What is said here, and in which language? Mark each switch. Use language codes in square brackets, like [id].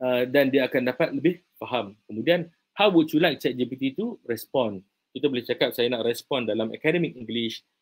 [ms] Dan dia akan dapat lebih faham. [en] Kemudian, how would you like ChatGPT to respond? [ms] Kita boleh cakap saya nak respond dalam academic English.